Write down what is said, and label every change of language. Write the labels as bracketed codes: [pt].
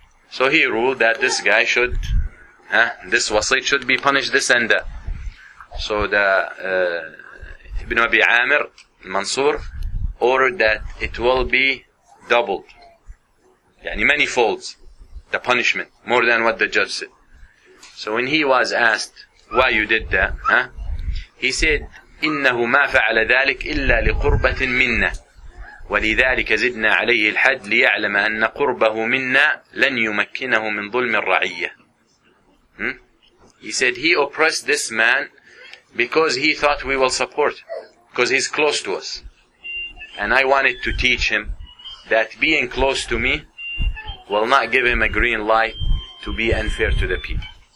[en] So he ruled that this guy should, this wasit should be punished this and that. So the Ibn Abi Amir, Mansur, ordered that it will be doubled. Yani many folds, the punishment, more than what the judge said. So when he was asked why you did that, he said, [ar] إِنَّهُ مَا فَعَلَ ذَلِكَ إِلَّا لِقُرْبَةٍ مِنَّا ولذلك زدنا عليه الحد ليعلم أن قربه منا لن يمكنه من ظلم الرعية. [en] He said he oppressed this man because he thought we will support him, because he's close to us. And I wanted to teach him that being close to me will not give him a green light to be unfair to the people.